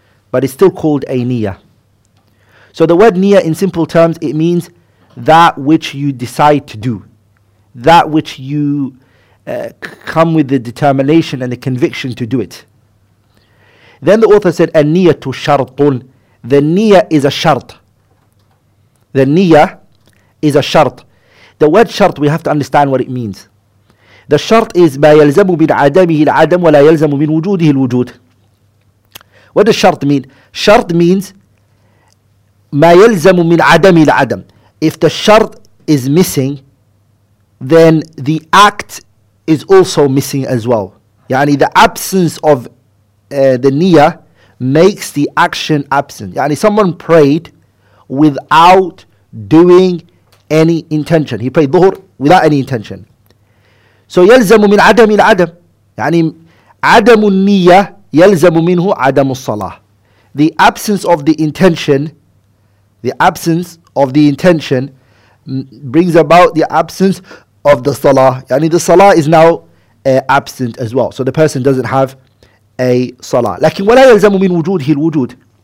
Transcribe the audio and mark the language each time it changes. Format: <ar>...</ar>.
<en>But it's still called a niyyah. So the word niyyah, in simple terms, it means that which you decide to do, that which you come with the determination and the conviction to do it. Then the author said, "An-niyyatu shartun." The niyya is a shart. The niyya is a shart. The word shart, we have to understand what it means. The shart is</en> <ar>ما يلزم من عدمه العدم ولا يلزم من وجوده الوجود.</ar> <en>What does shart mean? Shart means</en> <ar>ما يلزم من عدمه العدم.</ar> <en>If the shart is missing, then the act is also missing as well. Yani the absence of the niyyah makes the action absent. Yani someone prayed without doing any intention. He prayed dhuhr without any intention.</en> <ar>So يلزم من عدم العدم. يعني عدم النية يلزم منه عدم الصلاة.</ar> <en>The absence of the intention, the absence of the intention brings about the absence of the salah. Yani the salah is now absent as well. So the person doesn't have a salah.</en> <ar>لكن ولا يلزم من وجوده الوجود.</ar>